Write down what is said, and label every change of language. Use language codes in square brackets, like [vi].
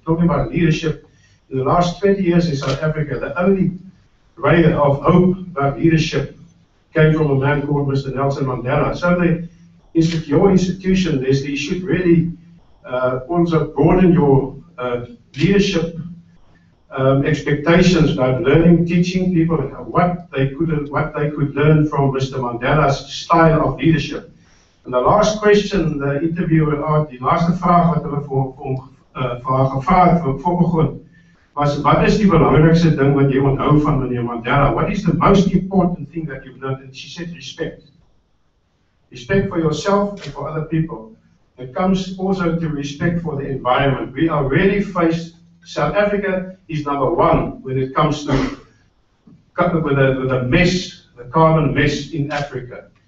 [en] Talking about leadership, in the last 20 years in South Africa, the only ray of hope about leadership came from a man called Mr. Nelson Mandela. So your institution, Leslie, should really also broaden your leadership expectations about learning, teaching people what they could learn from Mr. Mandela's style of leadership. And the last question the interviewer asked, the last [af] vraag wat hulle voor gevraagd voor begon, was wat is die belangrijkste ding wat jy onthou van meneer Mandela? [en] What is the most important thing that you've learned? And she said respect. Respect for yourself and for other people. It comes also to respect for the environment. We are really faced. South Africa is number one when it comes to with a mess, the carbon mess in Africa.